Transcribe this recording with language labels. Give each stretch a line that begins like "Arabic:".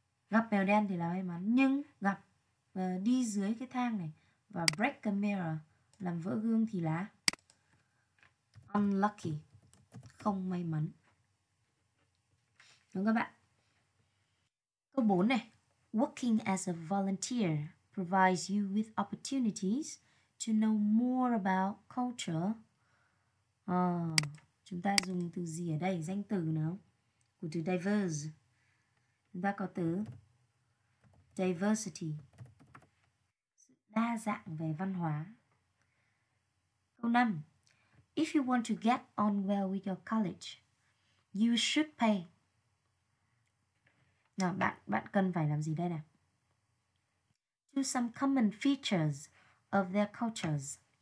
Vietnamese: Gặp mèo đen thì là may mắn, nhưng gặp đi dưới cái thang này và
English: break a mirror,
Vietnamese: làm vỡ gương thì là unlucky, không may mắn. Đúng các bạn. Câu 4 này.
English: Working as a volunteer provides you with opportunities to know more about culture.
Vietnamese: Chúng ta dùng từ gì ở đây? Danh từ nào? Của từ diverse. Chúng ta có từ diversity. Sự đa dạng về văn hóa. Câu 5.
English: If you want to get on well with your college, you should pay.
Vietnamese: Nào, bạn cần phải làm gì đây nè?
English: To some common features of their cultures.